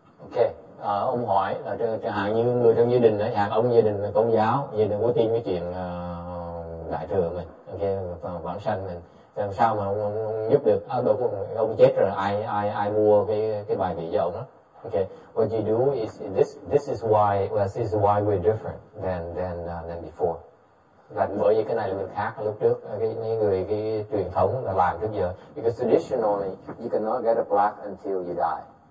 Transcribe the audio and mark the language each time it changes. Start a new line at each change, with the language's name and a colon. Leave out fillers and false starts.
Vietnamese: Okay, ông hỏi là chẳng hạn như người trong gia đình đấy, hạn ông gia đình là công giáo, gia đình có tin cái chuyện đại thừa mình, okay, vãng sanh mình, làm sao mà ông giúp được? Ông chết rồi, ai mua cái bài vị dầu đó?
English: Okay, what you do is this is why we're different than before.
Vietnamese: Là bởi vì cái này là mình khác lúc trước, cái người cái truyền thống là làm trước giờ.
English: Because traditionally, you cannot get a plaque until you die.